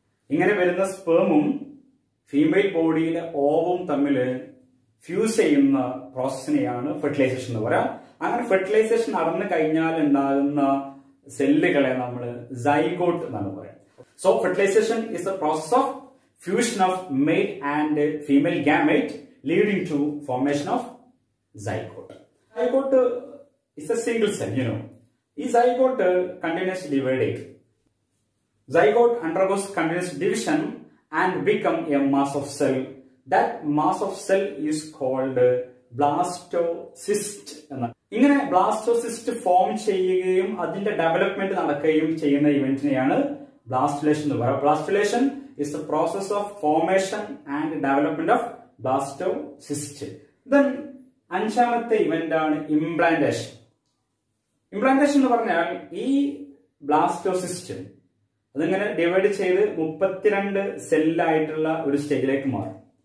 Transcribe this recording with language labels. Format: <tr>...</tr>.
<ml>ഇങ്ങനെ വരുന്ന സ്പേമും ഫീമെയിൽ ബോഡിയിലെ ഓവും തമ്മിൽ ഫ്യൂസ് ചെയ്യുന്ന പ്രോസസ്സിനെയാണ് ഫെർട്ടിലൈസേഷൻ എന്ന് പറയാം. അങ്ങനെ ഫെർട്ടിലൈസേഷൻ നടന്നു കഴിഞ്ഞാൽ ഉണ്ടാകുന്ന സെല്ലുകളെ നമ്മൾ സൈഗോട്ട് എന്നാണ് പറയുന്നത്.</ml> <en>So fertilization is the process of fusion of male and female gamete leading to formation of zygote. Zygote is a single cell, you know. Is zygote continuous dividing? Zygote undergoes continuous division and become a mass of cell. That mass of cell is called blastocyst.</en> <ml>ഇങ്ങനെ blastocyst form ചെയ്യുകയും അതിന്റെ development നടക്കുകയും ചെയ്യുന്ന ഇവന്റിനെയാണ് ബ്ലാസ്റ്റുലേഷൻ എന്ന് പറയുന്നത്.</ml> <en>Blastulation is the process of formation and development of blastocyst.</en> <ml>Then അഞ്ചാമത്തെ event ആണ് implantation. Implantation എന്ന് പറഞ്ഞാൽ ഈ ബ്ലാസ്റ്റോസിസ്റ്റ് അതിങ്ങനെ ഡിവൈഡ് ചെയ്ത് 32 സെല്ലായിട്ടുള്ള ഒരു സ്റ്റേജിലേക്ക് മാറും.</ml>